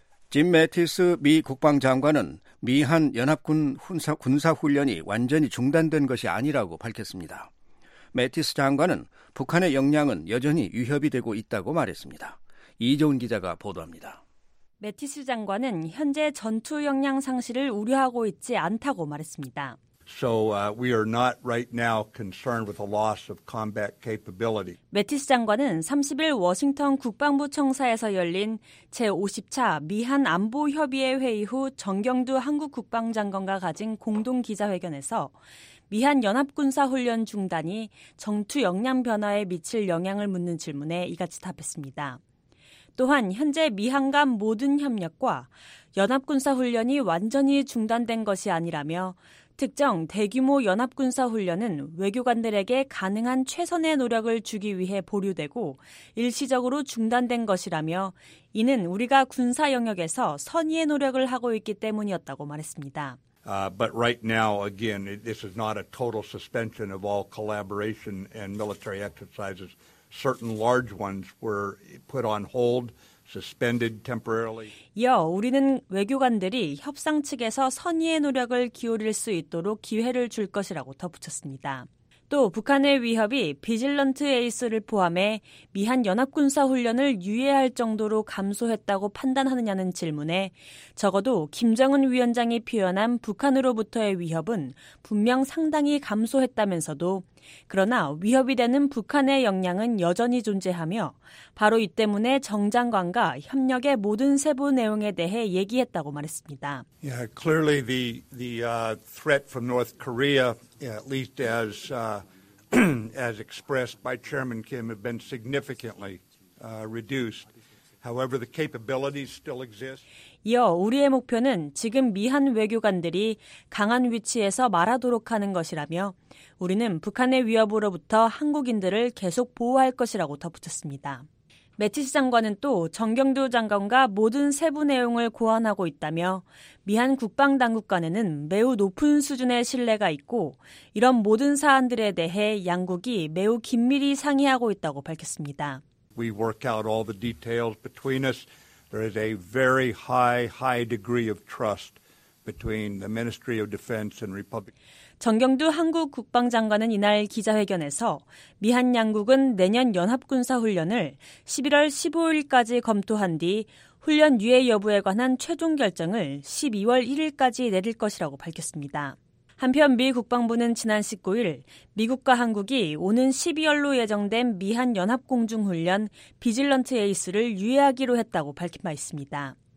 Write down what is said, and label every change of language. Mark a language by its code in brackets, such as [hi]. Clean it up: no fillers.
[ko] 짐 매티스 미 국방장관은 미한 연합군 군사훈련이 완전히 중단된 것이 아니라고 밝혔습니다. 매티스 장관은 북한의 역량은 여전히 위협이 되고 있다고 말했습니다. 이종훈 기자가 보도합니다. 매티스 장관은 현재 전투 역량 상실을 우려하고 있지 않다고 말했습니다. [en] So we are not right now concerned with the loss of combat capability. [ko] 매티스 장관은 30일 워싱턴 국방부 청사에서 열린 제50차 미한 안보 협의회 회의 후 정경두 한국 국방장관과 가진 공동 기자회견에서 미한 연합군사 훈련 중단이 전투 역량 변화에 미칠 영향을 묻는 질문에 이같이 답했습니다. 또한 현재 미한 간 모든 협력과 연합군사 훈련이 완전히 중단된 것이 아니라며 특정 대규모 연합군사 훈련은 외교관들에게 가능한 최선의 노력을 주기 위해 보류되고 일시적으로 중단된 것이라며 이는 우리가 군사 영역에서 선의의 노력을 하고 있기 때문이었다고 말했습니다. [en] But right now, again, this is not a total suspension of all collaboration and military exercises. Certain large ones were put on hold, suspended temporarily. [ko] 이어 우리는 외교관들이 협상 측에서 선의의 노력을 기울일 수 있도록 기회를 줄 것이라고 덧붙였습니다. 또 북한의 위협이 비질런트 에이스를 포함해 미한 연합군사 훈련을 유예할 정도로 감소했다고 판단하느냐는 질문에 적어도 김정은 위원장이 표현한 북한으로부터의 위협은 분명 상당히 감소했다면서도 그러나 위협이 되는 북한의 역량은 여전히 존재하며 바로 이 때문에 정 장관과 협력의 모든 세부 내용에 대해 얘기했다고 말했습니다. [en] Yeah, clearly the threat from North Korea, at least as expressed by Chairman Kim, have been significantly reduced. However, the capabilities still exist. [ko] 이어 우리의 목표는 지금 미한 외교관들이 강한 위치에서 말하도록 하는 것이라며 우리는 북한의 위협으로부터 한국인들을 계속 보호할 것이라고 덧붙였습니다. 매티스 장관은 또 정경두 장관과 모든 세부 내용을 고안하고 있다며 미한 국방당국 간에는 매우 높은 수준의 신뢰가 있고 이런 모든 사안들에 대해 양국이 매우 긴밀히 상의하고 있다고 밝혔습니다. [en] We work out all the details between us. There is a very high degree of trust between the Ministry of Defense and Republic. [ko] 정경두 한국 국방장관은 이날 기자회견에서 미한 양국은 내년 연합군사훈련을 11월 15일까지 검토한 뒤 훈련 유예 여부에 관한 최종 결정을 12월 1일까지 내릴 것이라고 밝혔습니다. 한편 미 국방부는 지난 19일 미국과 한국이 오는 12월로 예정된 미한 연합공중훈련 비질런트 에이스를 유예하기로 했다고 밝힌 바 있습니다.